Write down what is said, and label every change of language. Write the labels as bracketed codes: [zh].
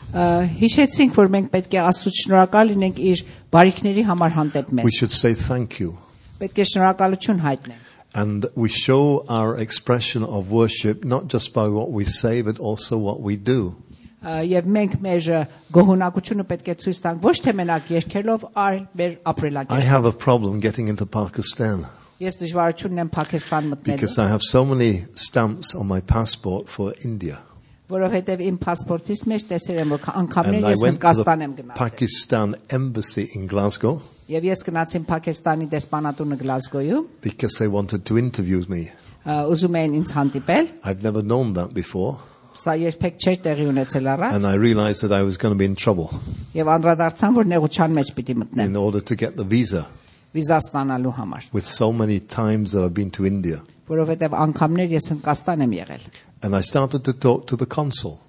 [hy] Հիշեցինք, որ մենք պետք է Աստծո շնորհակալ լինենք իր բարիքների համար հանդեպ մեզ. [en] We should say thank you. [hy] Պետք է շնորհակալություն հայտնենք. [en] And we show our expression of worship not just by what we say but also what we do. [hy] Եվ մենք մեր գոհունակությունը պետք է ցույց տանք ոչ թե մենակ երկելով, այլ մեր ապրելակերպով. [en] I have a problem getting into Pakistan. [hy] Ես դժվարություն ունեմ Փակիստան մտնելու. [en] Because I have so many stamps on my passport for India. [hy] Որովհետև իմ պասպորտից մեջ տեսել եմ, որ անգամներ ես Հնդկաստան եմ գնացել. [en] Pakistan embassy in Glasgow. [hy] Եվ ես գնացին Փակիստանի դեսպանատունը Գլազգոյում. [en] Because they wanted to interview me. [hy] Ուզում էին ինձ հանդիպել. [en] I've never known that before. [hy] Սա երբեք չէր տեղի ունեցել առաջ. [en] And I realized that I was going to be in trouble. [hy] Եվ անդրադարձան, որ նեղության մեջ պիտի մտնեմ. [en] In order to get the visa. [hy] Վիզա ստանալու համար. [en] With so many times that I've been to India. [hy] Որովհետև անգամներ ես Հնդկաստան եմ եղել. [en] And I started to talk to the consul.